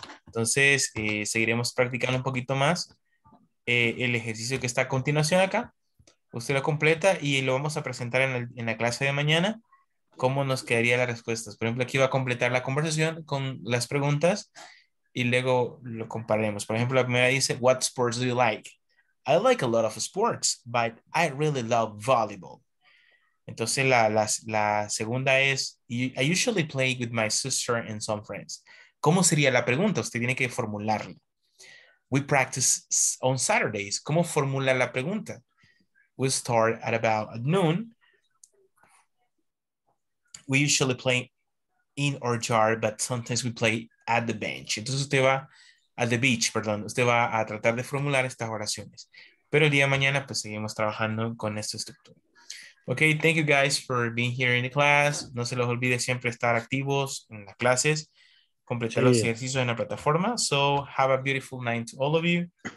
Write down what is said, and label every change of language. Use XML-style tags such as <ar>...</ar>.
<es>Entonces, seguiremos practicando un poquito más el ejercicio que está a continuación acá. Usted lo completa y lo vamos a presentar en la clase de mañana. ¿Cómo nos quedaría las respuestas? Por ejemplo, aquí va a completar la conversación con las preguntas y luego lo compararemos. Por ejemplo, la primera dice,</es> <en>what sports do you like? I like a lot of sports, but I really love volleyball.</en> <es>Entonces, la segunda es,</es> <en>I usually play with my sister and some friends.</en> <es>¿Cómo sería la pregunta? Usted tiene que formularla.</es> <en>We practice on Saturdays.</en> <es>¿Cómo formula la pregunta?</es> <en>We start at about noon. We usually play in our yard, but sometimes we play at the bench.</en> <es>Entonces, usted va</es> <en>at the beach,</en> <es>perdón. Usted va a tratar de formular estas oraciones. Pero el día de mañana, pues, seguimos trabajando con esta estructura.</es> <en>Okay, thank you guys for being here in the class.</en> <es>No se los olvide siempre estar activos en las clases, completar los ejercicios en la plataforma.</es> <en>So, have a beautiful night to all of you.</en>